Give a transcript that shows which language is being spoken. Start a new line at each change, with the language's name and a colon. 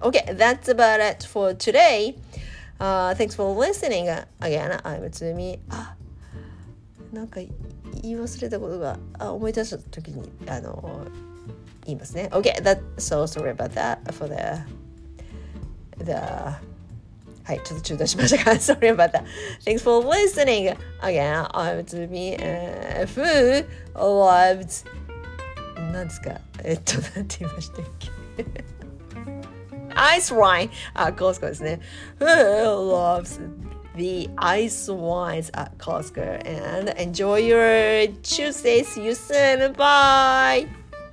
English: OK, that's about it for today、thanks for listening again, I'm Tsumi。
Japanese: あ、なんか言い忘れたことが、あ、思い出した時に、言いますね。
English: OK, that's so sorry about that for the...
Japanese: はい、ちょっと中断しましたか。
English: Sorry about that. Thanks for listening. Again, I'm Tsumi, who loves...
Japanese: なんですか、なんて言いましたっけ。
English: Ice wine at Costco
Japanese: ですね。
English: Who loves the ice wines at Costco. And enjoy your Tuesday. See you soon. Bye!